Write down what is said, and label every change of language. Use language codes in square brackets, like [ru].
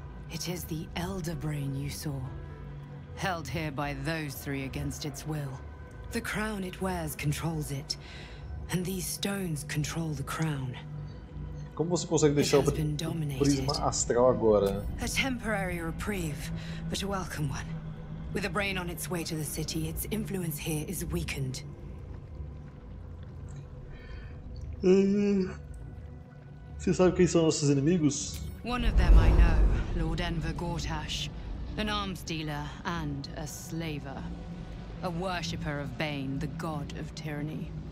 [en] It is the elder brain you saw, held here by those three against its will. The crown it wears controls it, and these stones control the crown. [pt] Como você consegue deixar o prisma astral agora? [en] A temporary reprieve, but a welcome one. With a brain on its way to the city, its influence here is weakened. [pt] Você sabe quem são nossos inimigos? [en] One of them I know. Lord Enver Gortash, an arms dealer and a slaver, a worshipper of Bane, the god of tyranny.